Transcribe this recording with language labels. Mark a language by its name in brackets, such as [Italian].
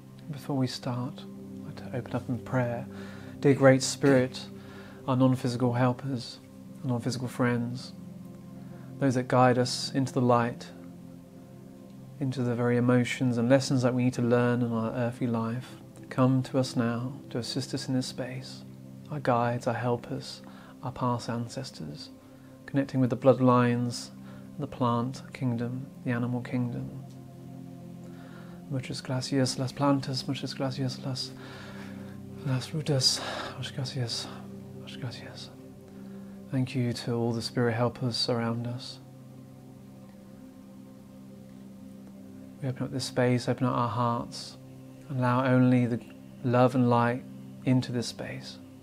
[English] Before we start, I'd like to open up in prayer. Dear Great Spirit, our non-physical helpers, non-physical friends, those that guide us into the light, into the very emotions and lessons that we need to learn in our earthly life, come to us now to assist us in this space. Our guides, our helpers, our past ancestors, connecting with the bloodlines, the plant kingdom, the animal kingdom. [Spanish] Muchas gracias las plantas, muchas gracias las frutas, muchas gracias, muchas gracias. [English] Thank you to all the spirit helpers around us. We open up this space, open up our hearts, allow only the love and light into this space.